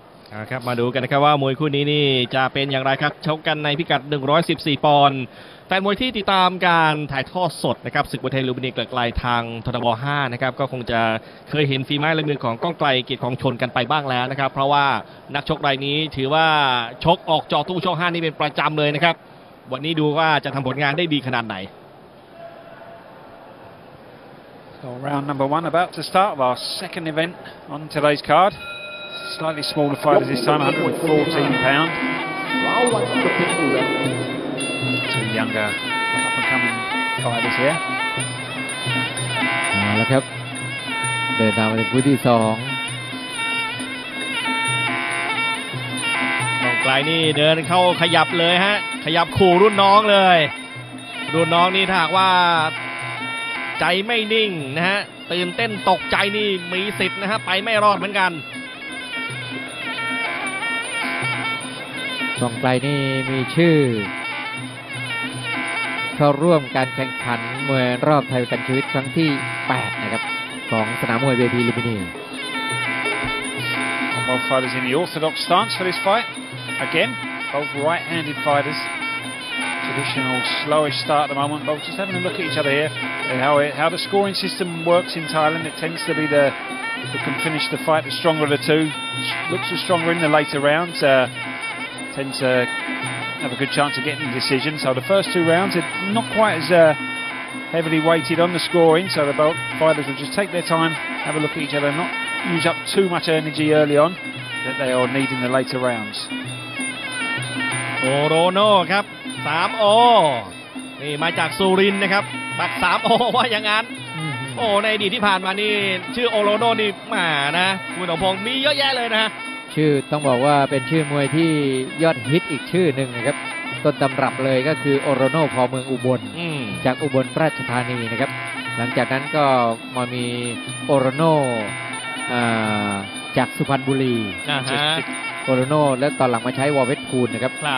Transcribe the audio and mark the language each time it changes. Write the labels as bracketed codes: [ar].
[th] เอาครับมาดูกันนะครับว่ามวยคู่นี้นี่จะเป็นอย่างไรครับชกกันในพิกัด114ปอนด์แฟนมวยที่ติดตามการถ่ายทอดสดนะครับศึกมวยไทยลุมพินีเกิดไกลทางททบ5นะครับก็คงจะเคยเห็นฝีไม้ลายมือของก้องไกลเกียรติคลองชนกันไปบ้างแล้วนะครับเพราะว่านักชกรายนี้ถือว่าชกออกจอตู้ช่อง5นี่เป็นประจำเลยนะครับวันนี้ดูว่าจะทำผลงานได้ดีขนาดไหน [en] So round number 1 about to start of our second event on today's cardSlightly smaller fighters this time, 114 pound. Two younger up-and-coming fighters here. [th] มาแล้วครับเดินทางมาถึงคู่ที่สอง น้องไกลนี่เดินเข้าขยับเลยฮะขยับขู่รุ่นน้องเลยรุ่นน้องนี่ถ้าหากว่าใจไม่นิ่งนะฮะตื่นเต้นตกใจนี่มีสิทธิ์นะฮะไปไม่รอดเหมือนกัน กองไกลนี่มีชื่อเข้าร่วมการแข่งขันมวยรอบไทยกันชีวิตครั้งที่8นะครับของสนามมวยเวทีลุมพินี [en] Both fighters in the orthodox stance for this fight Again, both right-handed fighters Traditional slowish start at the moment Both just having a look at each other here how the scoring system works in Thailand It tends to be the who can finish the fight the stronger of the two Looks the stronger in the later roundsTend to have a good chance of getting a decision. So the first two rounds are not quite as heavily weighted on the scoring. So the both fighters will just take their time, have a look at each other, not use up too much energy early on that they are needing the later rounds. [th] โอโรโน่ครับ3โอนี่มาจากสุรินทร์นะครับบัตร3โอว่าอย่างนั้นโอ้ในอดีตที่ผ่านมานี่ชื่อโอโรโน่นี่มานะคุณสมพงษ์มีเยอะแยะเลยนะ ชื่อต้องบอกว่าเป็นชื่อมวยที่ยอดฮิตอีกชื่อหนึ่งนะครับต้นตำรับเลยก็คือโอโรโน่พอเมืองอุบลจากอุบลราชธานีนะครับหลังจากนั้นก็มามีโอโรโน่จากสุพรรณบุรีโอโรโน่และตอนหลังมาใช้วอเวทพูลนะครับ